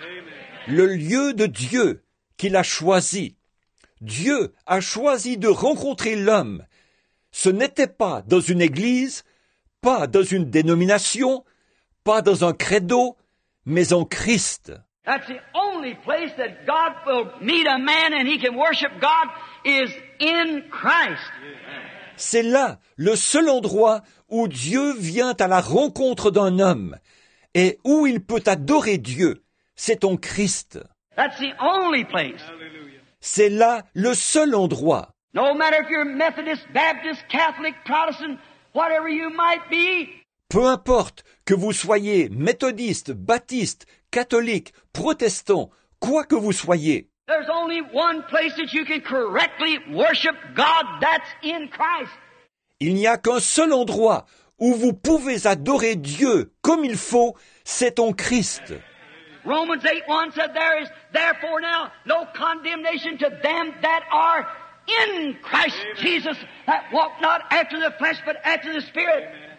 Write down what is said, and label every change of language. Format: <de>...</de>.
<en>Amen.</en> <fr>Le lieu de Dieu qu'il a choisi. Dieu a choisi de rencontrer l'homme. Ce n'était pas dans une église, pas dans une dénomination, pas dans un credo, mais en Christ.</fr> <en>That's the only place that God will meet a man and he can worship God is in Christ.</en> <fr>C'est là le seul endroit où Dieu vient à la rencontre d'un homme et où il peut adorer Dieu. C'est en Christ.</fr> <en>That's the only place.</en> <fr>C'est là le seul endroit.</fr> <en>No matter if you're Methodist, Baptist, Catholic, Protestant, whatever you might be.</en> <fr>Peu importe que vous soyez méthodiste, baptiste, catholique, protestant, quoi que vous soyez.</fr> <en>There's only one place that you can correctly worship God, that's in Christ.</en> <fr>Il n'y a qu'un seul endroit où vous pouvez adorer Dieu comme il faut, c'est en Christ.</fr> <en>Romans 8:1 said there is therefore now no condemnation to them that are in Christ Jesus, that walk not after the flesh, but after the Spirit.</en>